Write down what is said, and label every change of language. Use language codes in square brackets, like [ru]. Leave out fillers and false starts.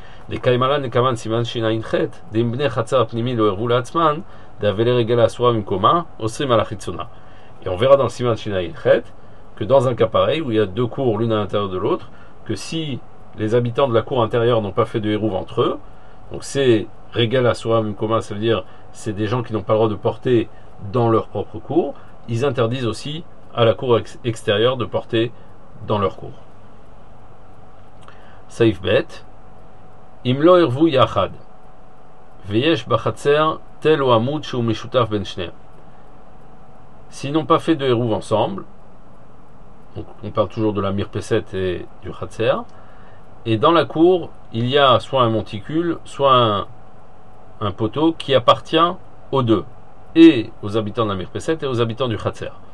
[fr] Et on verra dans le Siman Shinayin Chet que dans un cas pareil où il y a deux cours l'une à l'intérieur de l'autre, que si les habitants de la cour intérieure n'ont pas fait de hérouve entre eux, donc c'est Regal Asura Mimkoma, ça veut dire c'est des gens qui n'ont pas le droit de porter dans leur propre cour, ils interdisent aussi à la cour extérieure de porter dans leur cour. [he] סעיף ב', אם לא ערבו יחד, ויש בחצר תל או עמוד שהוא משותף בין שניהם. [fr] Sinon pas fait de hérouv ensemble, donc on parle toujours de la mirpesette et du khatser, et dans la cour, il y a soit un monticule, soit un poteau qui appartient aux deux, et aux habitants de la mirpesette et aux habitants du khatser.